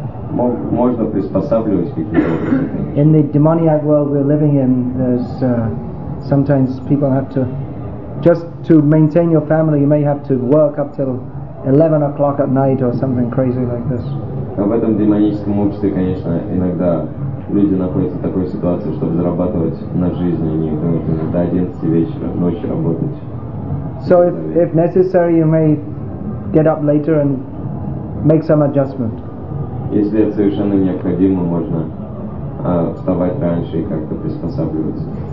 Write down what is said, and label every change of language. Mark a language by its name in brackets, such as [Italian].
[Russian] Можно приспосабливать какие-то вопросы. [English] In the demoniac world we're living in, there's sometimes people have to just to maintain your family. You may have to work up till 11 o'clock at night or something crazy like this. [Russian] В этом демоническом обществе, конечно, иногда. Люди находятся в такой ситуации, чтобы зарабатывать на жизнь, они вынуждены до 11 вечера, ночи работать. [English] So if necessary, you may get up later and make some adjustment. [Russian] Если это совершенно необходимо, можно вставать раньше и как-то приспосабливаться.